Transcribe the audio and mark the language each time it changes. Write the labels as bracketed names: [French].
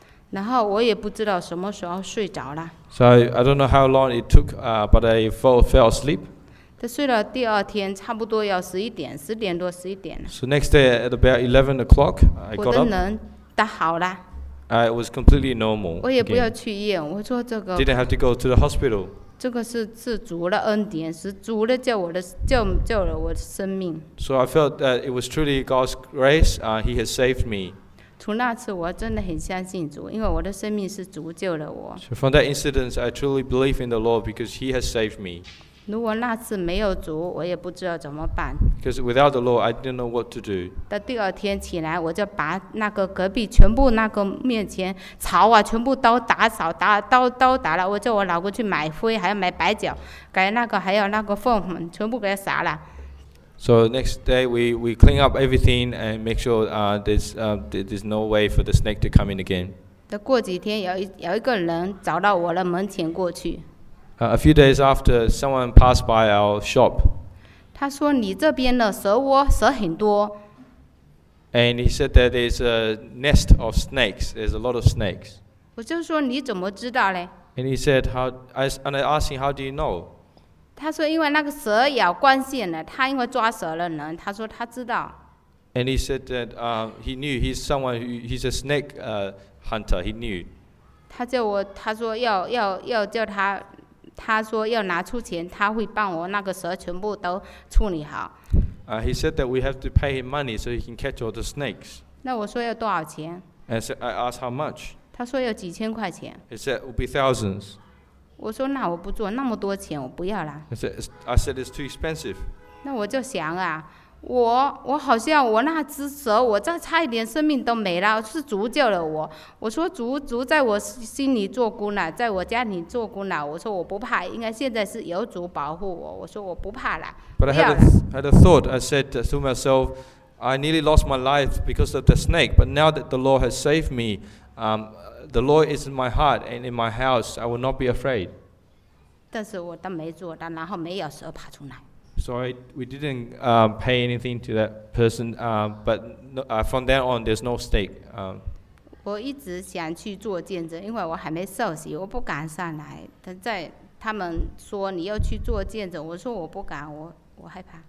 [Chinese] 然后我也不知道什么时候睡着了。 [English] So I don't know how long it took, but I fell asleep. [Chinese] 他睡了第二天，差不多要十一点多十一点了。 [English] So next day at about 11 o'clock, I got up. I was completely normal. [Chinese] 我也不要去医院，我说这个。 [English] Didn't have to go to the hospital. [Chinese] 这个是主的恩典，是主的救了我的生命。 [English] So I felt that it was truly God's grace. He has saved me. [Chinese] 从那次我真的很相信主，因为我的生命是主救了我。 [English] So from that incident, I truly believe in the Lord because He has saved me. [Chinese] 如果那次没有主，我也不知道怎么办。 [English] Because without the Lord, I didn't know what to do. [Chinese] 到第二天起来，我就把那个隔壁全部那个面前草啊，全部都打扫，都打了。我叫我老公去买灰，还要买白酒，给那个还有那个粪粉，全部给撒了。 [English] So next day we clean up everything and make sure there's no way for the snake to come in again. [Chinese] 再过几天，有一个人找到我的门前过去。 [English] A few days after, someone passed by our shop. [Chinese] 他说你这边的蛇窝蛇很多。 [English] And he said that there's a nest of snakes. There's a lot of snakes. [Chinese] 我就说你怎么知道嘞？ [English] And he said and I asked him, how do you know? [Chinese] 他说因为那个蛇咬光线了，他因为抓蛇的人，他说他知道。 [English] And he said that he knew he's a snake hunter. He knew. [Chinese] 他叫我，他说要叫他。他说要拿出钱，他会帮我那个蛇全部都处理好。 [English] He said that we have to pay him money so he can catch all the snakes. [Chinese] 那我说要多少钱？ [English] And so I asked how much. [Chinese] 他说要几千块钱。 [English] He said it will be thousands. [Chinese] 我说那我不做，那么多钱我不要了。 [English] I said it's too expensive. [Chinese] 那我就想啊，我好像我那只蛇，我再差一点生命都没了，是主救了我。我说主在我心里做工了，在我家里做工了。我说我不怕，应该现在是有主保护我。我说我不怕了。 [English] But I had a thought. I said to myself, I nearly lost my life because of the snake. But now that the Lord has saved me, the Lord is in my heart and in my house. I will not be afraid. [Chinese] 但是我都没做到，然后没有蛇爬出来。 [English] Sorry, we didn't pay anything to that person, but no, from then on, there's no stake. [Chinese] 我一直想去做见证，因为我还没受洗，我不敢上来。他们说你要去做见证，我说我不敢，我害怕。